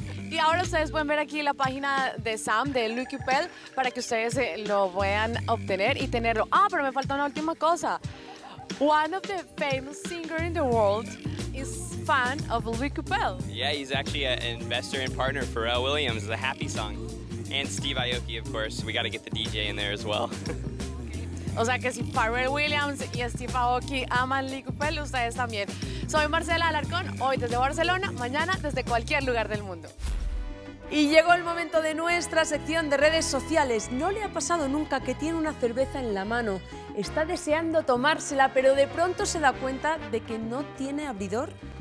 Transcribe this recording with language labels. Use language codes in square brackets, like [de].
[es] Y ahora ustedes pueden ver aquí la página de Sam, de Liquipel, para que ustedes lo puedan obtener y tenerlo. Ah, pero me falta una última cosa. [en] One of the famous singers in the world is fan of Liquipel. Yeah, he's actually an investor and partner for Pharrell Williams, the Happy Song. And Steve Aoki, of course. We got to get the DJ in there as well. [es] O sea que si Pharrell Williams y Steve Aoki aman Liquipel, ustedes también. Soy Marcela Alarcón, hoy desde Barcelona, mañana desde cualquier lugar del mundo. Y llegó el momento de nuestra sección de redes sociales. ¿No le ha pasado nunca que tiene una cerveza en la mano? Está deseando tomársela, pero de pronto se da cuenta de que no tiene abridor.